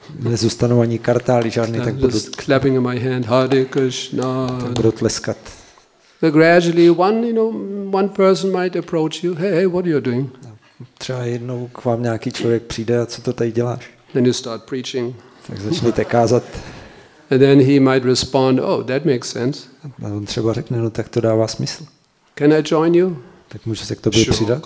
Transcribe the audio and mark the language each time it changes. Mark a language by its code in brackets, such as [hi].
[cs] Nezůstanou ani kartály, žádný, tak budu. [en] Just clapping in my hand, Hare Krishna. [cs] Tak budu tleskat. [en] So gradually one person might approach you. Hey, what are you doing? [cs] Třeba jednou k vám nějaký člověk přijde a co to tady děláš? [en] Then you start preaching. [cs] Tak začnete kázat. [en] And then he might respond, oh, that makes sense. [cs] A on třeba řekne, no tak to dává smysl. [en] Can I join you? [cs] Tak můžu se k tobě přidat?